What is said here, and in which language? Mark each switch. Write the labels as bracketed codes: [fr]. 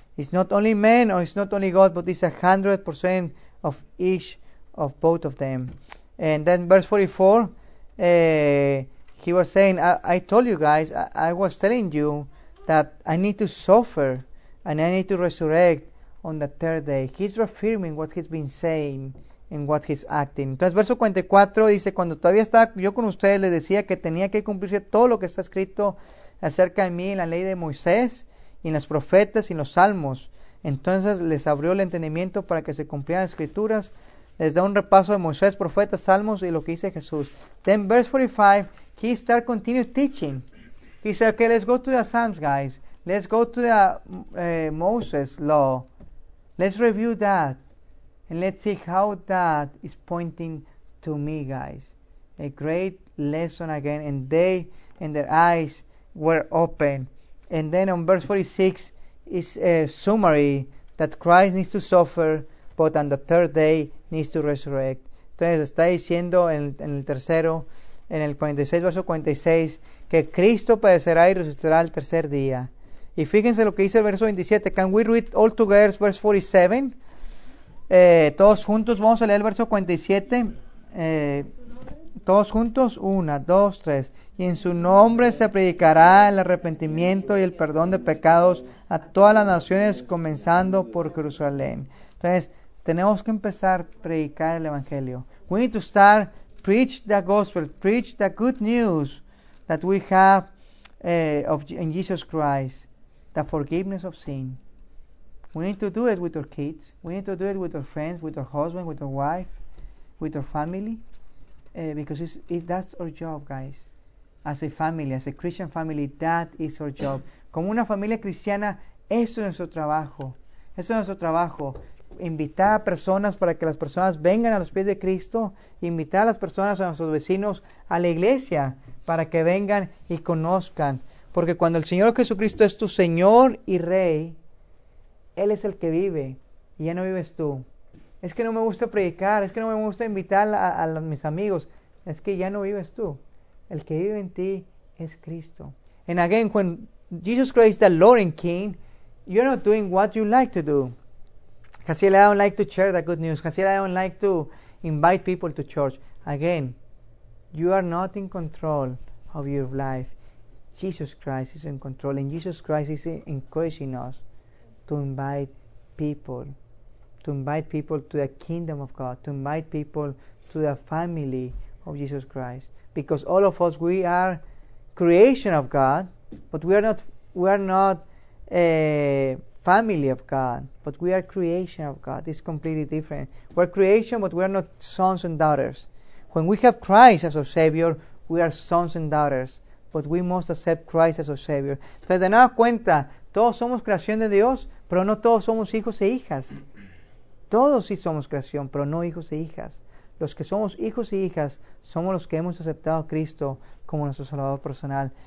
[en] It's not only man or it's not only God, but it's 100% of each of both of them. And then verse 44, he was saying, I told you guys, I was telling you that I need to suffer and I need to resurrect on the third day. He's reaffirming what he's been saying and what he's acting. [es] Entonces, verso 44 dice, cuando todavía estaba yo con ustedes, les decía que tenía que cumplirse todo lo que está escrito acerca de mí en la ley de Moisés, y en los profetas y en los salmos. Entonces les abrió el entendimiento para que se cumplieran las escrituras. Les da un repaso de Moisés, profetas, salmos y lo que dice Jesús. [en] Then verse 45, he start continue teaching. He said, okay, let's go to the Psalms, guys. Let's go to the Moses law. Let's review that. And let's see how that is pointing to me, guys. A great lesson again. And they, and their eyes were open. And then on verse 46 is a summary that Christ needs to suffer, but on the third day needs to resurrect. [es] Entonces está diciendo en el tercero, en el 46, verso 46, que Cristo padecerá y resucitará el tercer día. Y fíjense lo que dice el verso 27. [en] Can we read all together verse 47? [es] Todos juntos vamos a leer el verso 47. Todos juntos, una, dos, tres. Y en su nombre se predicará el arrepentimiento y el perdón de pecados a todas las naciones, comenzando por Jerusalén. Entonces, tenemos que empezar a predicar el Evangelio. [en] We need to start preach the gospel, preach the good news that we have in Jesus Christ, the forgiveness of sin. We need to do it with our kids. We need to do it with our friends, with our husband, with our wife, with our family. Because that's our job, guys. As a family, as a Christian family, that is our job. [es] Como una familia cristiana, eso es nuestro trabajo. Eso es nuestro trabajo. Invitar a personas para que las personas vengan a los pies de Cristo. Invitar a las personas, a nuestros vecinos, a la iglesia, para que vengan y conozcan. Porque cuando el Señor Jesucristo es tu Señor y Rey, Él es el que vive. Y ya no vives tú. Es que no me gusta predicar, es que no me gusta invitar a mis amigos. Es que ya no vives tú. El que vive en ti es Cristo. [en] And again, when Jesus Christ is the Lord and King, you're not doing what you like to do. Casi I don't like to share the good news. Casi I don't like to invite people to church. Again, you are not in control of your life. Jesus Christ is in control, and Jesus Christ is encouraging us to invite people. To invite people to the kingdom of God. To invite people to the family of Jesus Christ. Because all of us, we are creation of God. But we are not a family of God. But we are creation of God. It's completely different. We're creation, but we are not sons and daughters. When we have Christ as our Savior, we are sons and daughters. But we must accept Christ as our Savior. [es] Entonces, de nada cuenta, todos somos creación de Dios, pero no todos somos hijos e hijas. Todos sí somos creación, pero no hijos e hijas. Los que somos hijos e hijas somos los que hemos aceptado a Cristo como nuestro Salvador personal.